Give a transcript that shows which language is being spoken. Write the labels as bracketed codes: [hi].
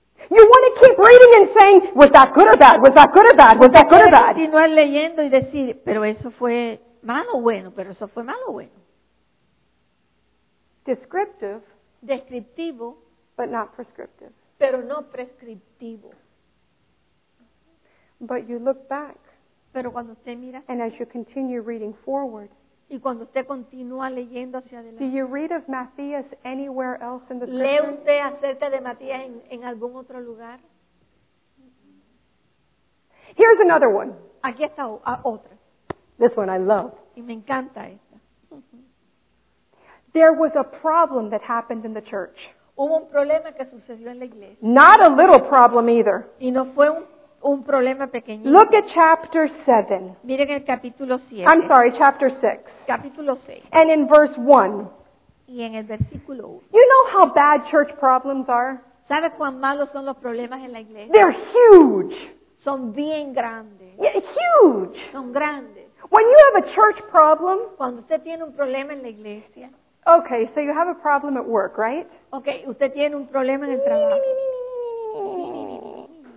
[en] You want to keep reading and saying, was that good or bad? Was that good or bad? Was that good or bad? [es] Continuar leyendo y decir, pero eso fue malo o bueno, pero eso fue malo o bueno. [en] Descriptive. [es] Descriptivo. [en] But not prescriptive. [es] Pero no prescriptivo. [en] But you look back. [es] Pero cuando usted mira, [en] and as you continue reading forward, [es] y cuando usted continúa leyendo hacia adelante, [en] do you read of Matthias anywhere else in the scripture? [es] ¿Lee usted acerca de Matías en algún otro lugar? [en] Here's another one. [es] Aquí está otra. [en] This one I love. [es] Y me encanta esta. [en] There was a problem that happened in the church. [es] Hubo un problema que sucedió en la iglesia. [en] Not a little problem either. [es] Y no fue un problema pequeñito. [en] Look at chapter 7. [es] Miren el capítulo 7. [en] I'm sorry, chapter 6. [es] Capítulo 6. [en] And in verse 1. [es] Y en el versículo 1. [en] You know how bad church problems are? [es] ¿Sabe cuán malos son los problemas en la iglesia? [en] They're huge. [es] Son bien grandes. [en] Yeah, huge. [es] Son grandes. [en] When you have a church problem, [es] cuando usted tiene un problema en la iglesia, [en] okay, so you have a problem at work, right? [es] Okay, usted tiene un problema en el trabajo.